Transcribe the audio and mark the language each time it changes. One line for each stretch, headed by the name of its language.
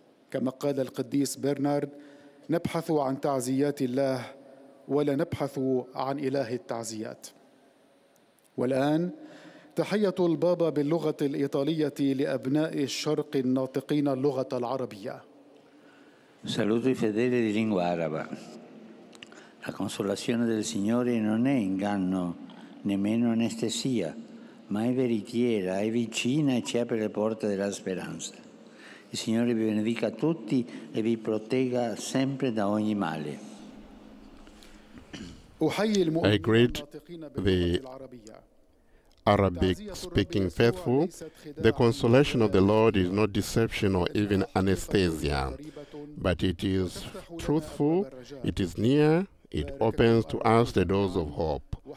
Arabic: كما قال القديس برنارد: نبحث عن تعزيات الله ولا نبحث عن إله التعزيات. والآن تحية البابا باللغة الإيطالية لأبناء الشرق الناطقين اللغة العربية.
Italian: Saluto i fedeli di lingua araba. La consolazione del Signore non è inganno, nemmeno anestesia, ma è veritiera, è vicina e ci apre le porte della speranza. Il Signore vi benedica tutti e vi protegga sempre da ogni male.
English: I greet the Arabic speaking faithful. The consolation of the Lord is not deception or even anesthesia, but it is truthful, it is near, it opens to us the doors of hope.